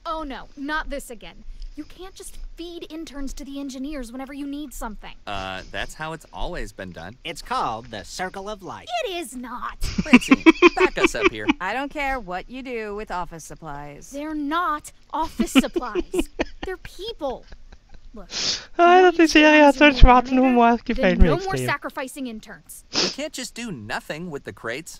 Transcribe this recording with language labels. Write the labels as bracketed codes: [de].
[en] Oh no, not this again. You can't just feed interns to the engineers whenever you need something. That's how it's always been done. It's called the circle of life. It is not! Francine, back us up here. I don't care what you do with office supplies. They're not office supplies. They're people. [de] Look, die Serie hat so einen schwarzen Humor, gefällt mir extrem. [en] No more sacrificing interns. You can't just do nothing with the crates.